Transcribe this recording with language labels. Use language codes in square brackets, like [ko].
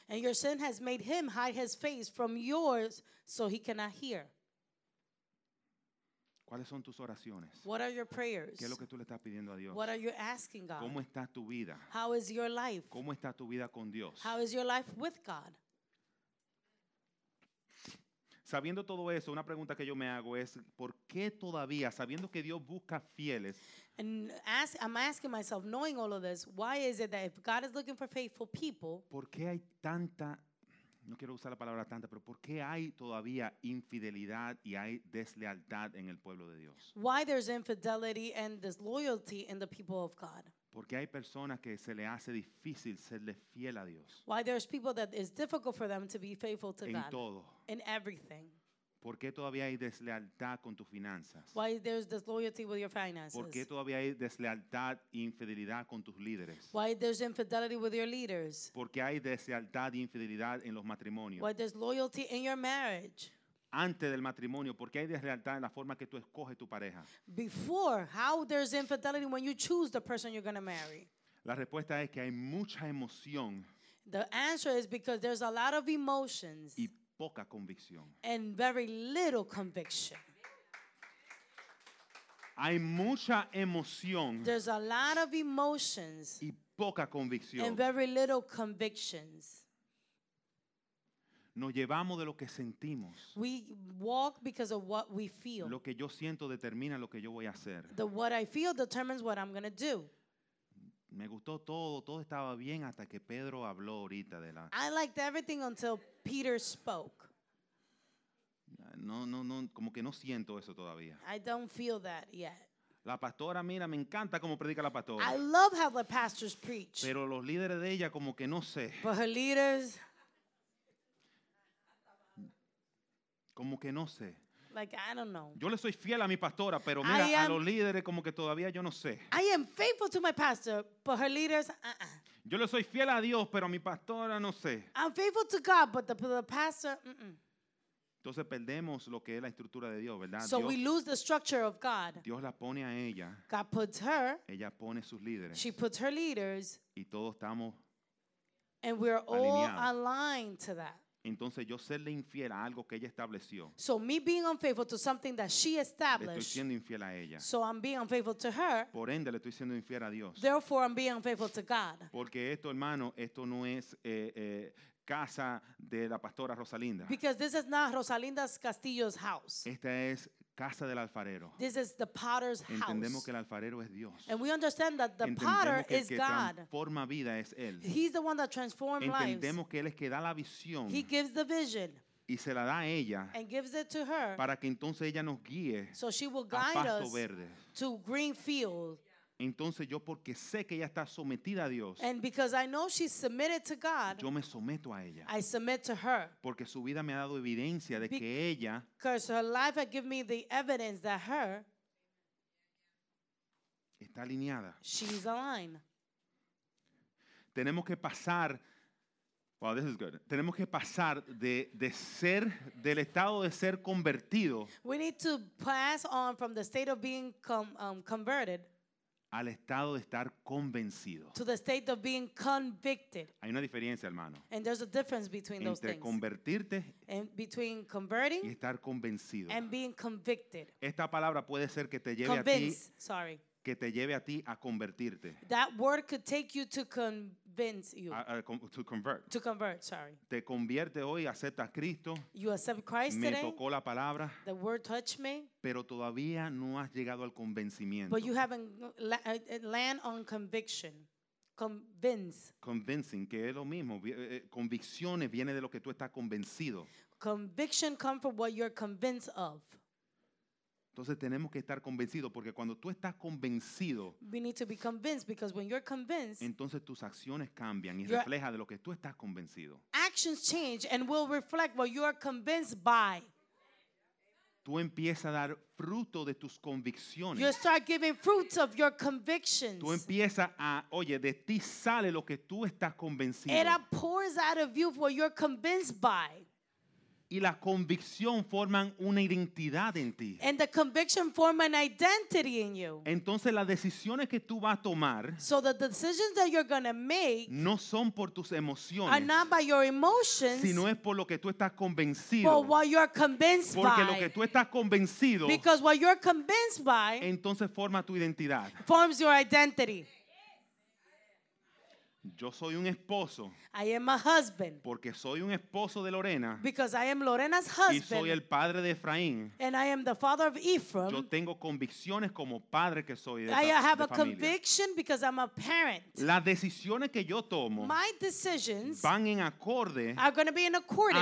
[en] And your sin has made him hide his face from yours so he cannot hear. [es] ¿Cuáles son tus oraciones? [en] What are your prayers? [es] ¿Qué es lo que tú le estás pidiendo a Dios? [en] What are you asking God? [es] ¿Cómo está tu vida? [en] How is your life? [es] ¿Cómo está tu vida con Dios? [en] How is your life with God? [es] Sabiendo todo eso, una pregunta que yo me hago es, ¿por qué todavía, sabiendo que Dios busca fieles? [en] And I'm asking myself, knowing all of this, why is it that if God is looking for faithful people, [es] ¿por qué hay tanta, no quiero usar la palabra tanta, pero por qué hay todavía infidelidad y hay deslealtad en el pueblo de Dios? [en] Why there's infidelity and disloyalty in the people of God? [es] Porque hay personas que se le hace difícil serle fiel a Dios. [en] Why there's people that it's difficult for them to be faithful to [es] en [en] God. [es] En todo. [en] In everything. [es] ¿Por qué todavía hay deslealtad con tus finanzas? [en] Why there's disloyalty with your finances? [es] ¿Por qué todavía hay deslealtad e infidelidad con tus líderes? [en] Why there's infidelity with your leaders? [es] ¿Por qué hay deslealtad e infidelidad en los matrimonios? [en] Why there's loyalty in your marriage? [es] Antes del matrimonio, ¿por qué hay deslealtad en la forma que tú escoges tu pareja? [en] Before, how there's infidelity when you choose the person you're going to marry? [es] La respuesta es que hay mucha emoción. [en] The answer is because there's a lot of emotions. [es] Y poca convicción. [en] And very little conviction. [es] Hay mucha emoción. [en] There's a lot of emotions. [es] Y poca convicción. [en] And very little convictions. [es] Nos llevamos de lo que sentimos. [en] We walk because of what we feel. [es] Lo que yo siento determina lo que yo voy a hacer. [en] The what I feel determines what I'm going to do. [es] Me gustó todo, todo estaba bien hasta que Pedro habló ahorita de la. [en] I liked everything until Peter spoke. [es] No, como que no siento eso todavía. [en] I don't feel that yet. [es] La pastora, mira, me encanta cómo predica la pastora. [en] I love how the pastors preach. [es] Pero los líderes de ella como que no sé. [en] But her leaders. [es] Como que no sé. [en] Like, I don't know. [es] Yo le soy fiel a mi pastora, pero mira, a los líderes como que todavía yo no sé. [en] I am faithful to my pastor, but her leaders, uh-uh. [es] Yo le soy fiel a Dios, pero a mi pastora no sé. [en] I'm faithful to God, but the pastor, uh-uh. [es] Entonces perdemos lo que es la estructura de Dios, ¿verdad? [en] So we lose the structure of God. [es] Dios la pone a ella. [en] God puts her. [es] Ella pone sus líderes. [en] She puts her leaders. [es] Y todos estamos [en] and we're all aligned to that. [es] Entonces yo serle infiel a algo que ella estableció. [en] So me being unfaithful to something that she established. [es] Le estoy siendo infiel a ella. [en] So I'm being unfaithful to her. [es] Por ende le estoy siendo infiel a Dios. [en] Therefore I'm being unfaithful to God. [es] Porque esto, hermano, esto no es casa de la pastora Rosalinda. [en] Because this is not Rosalinda's Castillo's house. [es] Esta es casa del alfarero. [en] This is the potter's house. [es] Entendemos que el alfarero es Dios. [en] And we understand that the potter is God. [es] Forma vida es él. [en] He's the one that transforms lives. [es] Entendemos que él es que da la visión. [en] He gives the vision. [es] Y se la da a ella. [en] And gives it to her. [es] Para que entonces ella nos guíe. [en] So she will guide [es] a pasto verde. [en] Us to green fields. [es] Entonces yo porque sé que ella está sometida a Dios. [en] And because I know she's submitted to God. [es] Yo me someto a ella. [en] I submit to her. [es] Porque su vida me ha dado evidencia de que ella. [en] Because her life has given me the evidence that her. [es] Está alineada. [en] She's aligned. [es] Tenemos que pasar. [en] Wow, this is good. [es] Tenemos que pasar de ser del estado de ser convertido. [en] We need to pass on from the state of being converted. [es] Al estado de estar convencido. [en] To the state of being convicted. [es] Hay una diferencia, hermano. [en] And there's a difference between [es] entre [en] those things. [es] Entre convertirte. [en] And between converting. [es] Y estar convencido. [en] And being convicted. [es] Esta palabra puede ser que te lleve [en] convince, [es] a ti. [en] Sorry. [es] Que te lleve a ti a convertirte. [en] That word could take you to convince you. To convert. To convert, sorry. [es] Te convierte hoy, aceptas Cristo. [en] You accept Christ [es] me [en] today. [es] Me tocó la palabra. [en] The word touched me. [es] Pero todavía no has llegado al convencimiento. [en] But you haven't land on conviction. Convince. [es] Convincing, que es lo mismo. Convicciones viene de lo que tú estás convencido. [en] Conviction comes from what you're convinced of. [es] Entonces tenemos que estar convencidos porque cuando tú estás convencido, [en] we need to be convinced because when you're convinced, [es] entonces tus acciones cambian y refleja de lo que tú estás convencido. [en] Actions change and will reflect what you are convinced by. [es] Tú empiezas a dar fruto de tus convicciones. [en] You start giving fruits of your convictions. [es] Tú empiezas a, oye, de ti sale lo que tú estás convencido. [en] It pours out of you what you're convinced by. [es] Y la convicción forman una identidad en ti. [en] And the conviction form an identity in you. [es] Entonces las decisiones que tú vas a tomar. [en] So the decisions that you're going to make. [es] No son por tus emociones. [en] Are not by your emotions. [es] Sino es por lo que tú estás convencido. [en] But what you're convinced [es] porque [en] by. [es] Porque lo que tú estás convencido. [en] Because what you're convinced by. [es] Entonces forma tu identidad. [en] Forms your identity. [es] Yo soy un esposo. [en] I am a husband. [es] Porque soy un esposo de Lorena. [en] Because I am Lorena's husband. [es] Y soy el padre de Efraín. [en] And I am the father of Ephraim. [es] Yo tengo convicciones como padre que soy de esta familia. [en] I have a conviction because I'm a parent. [es] Las decisiones que yo tomo. [en] My decisions. [es] Van en acorde. [en] Are going to be in accordance.